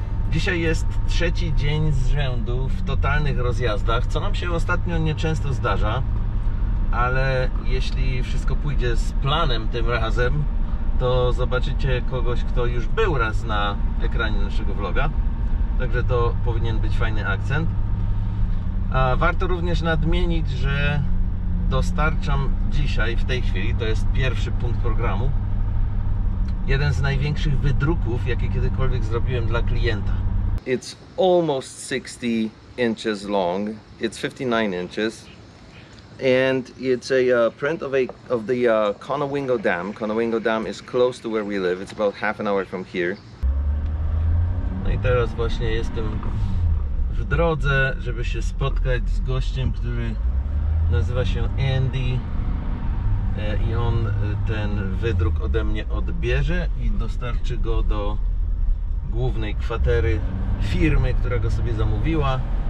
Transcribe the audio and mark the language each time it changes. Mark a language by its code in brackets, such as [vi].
[pl] Dzisiaj jest trzeci dzień z rzędu w totalnych rozjazdach, co nam się ostatnio nieczęsto zdarza, ale jeśli wszystko pójdzie z planem tym razem, to zobaczycie kogoś, kto już był raz na ekranie naszego vloga, także to powinien być fajny akcent. A warto również nadmienić, że dostarczam dzisiaj, w tej chwili, to jest pierwszy punkt programu, jeden z największych wydruków, jakie kiedykolwiek zrobiłem dla klienta. [en] It's almost 60 inches long. It's 59 inches, and it's a print of the Conowingo Dam. Conowingo Dam is close to where we live. It's about half an hour from here. [pl] No i teraz właśnie jestem w drodze, żeby się spotkać z gościem, który nazywa się Andy, i on ten wydruk ode mnie odbierze i dostarczy go do głównej kwatery firmy, która go sobie zamówiła.